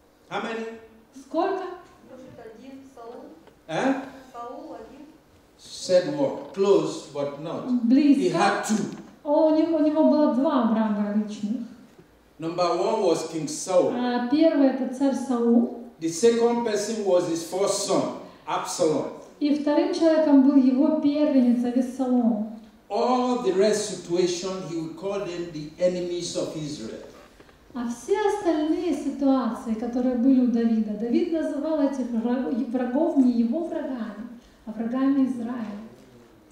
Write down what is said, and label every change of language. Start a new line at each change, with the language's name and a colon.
English: How many?
Russian: Сколько? Может, один, Саул? А? Саул, один.
English: Said what? Close, but not.
Russian: Близко.
English: He had two.
Russian: У него было два врага личных.
English: Number one was King Saul.
Russian: Первый это царь Саул.
English: The second person was his first son, Absalom.
Russian: И вторым человеком был его первенец Авессалом.
English: All the rest situation, he would call them the enemies of Israel.
Russian: А все остальные ситуации, которые были у Давида, Давид называл этих врагов не его врагами, а врагами Израиля.